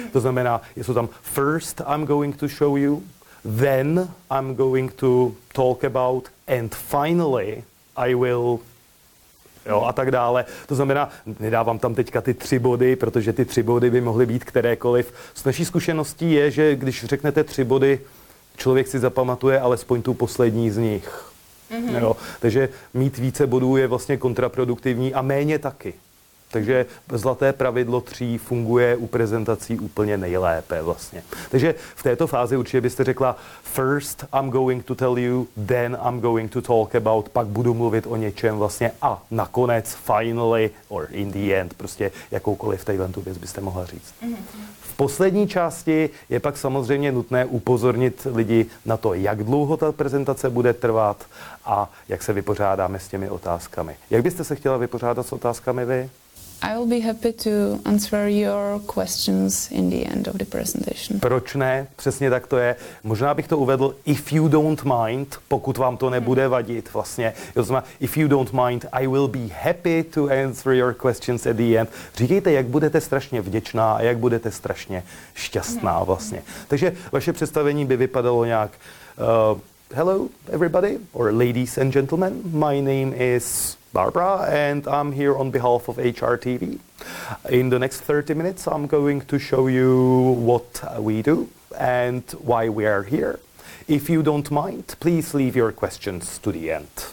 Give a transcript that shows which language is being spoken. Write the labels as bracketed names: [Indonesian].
[Czech] To znamená, jsou tam [English] first I'm going to show you, then I'm going to talk about and finally I will, [Czech] jo, a tak dále. To znamená, nedávám tam teďka ty tři body, protože ty tři body by mohly být kterékoliv. S naší zkušeností je, že když řeknete tři body, člověk si zapamatuje alespoň tu poslední z nich. Jo, takže mít více bodů je vlastně kontraproduktivní a méně taky. Takže zlaté pravidlo 3 funguje u prezentací úplně nejlépe vlastně. Takže v této fázi určitě byste řekla [English] first I'm going to tell you, then I'm going to talk about, [Czech] pak budu mluvit o něčem vlastně a nakonec, [English] finally or in the end, [Czech] prostě jakoukoliv tady tu věc byste mohla říct. V poslední části je pak samozřejmě nutné upozornit lidi na to, jak dlouho ta prezentace bude trvat a jak se vypořádáme s těmi otázkami. Jak byste se chtěla vypořádat s otázkami vy? [English] I will be happy to answer your questions in the end of the presentation. [Czech] Proč ne? Přesně tak to je. Možná bych to uvedl, [English] if you don't mind, [Czech] pokud vám to nebude vadit vlastně. [English] If you don't mind, I will be happy to answer your questions at the end. [Czech] Říkejte, jak budete strašně vděčná a jak budete strašně šťastná vlastně. Takže vaše představení by vypadalo nějak... [English] Hello, everybody, or ladies and gentlemen, my name is Barbara, and I'm here on behalf of HRTV. In the next 30 minutes, I'm going to show you what we do and why we are here. If you don't mind, please leave your questions to the end.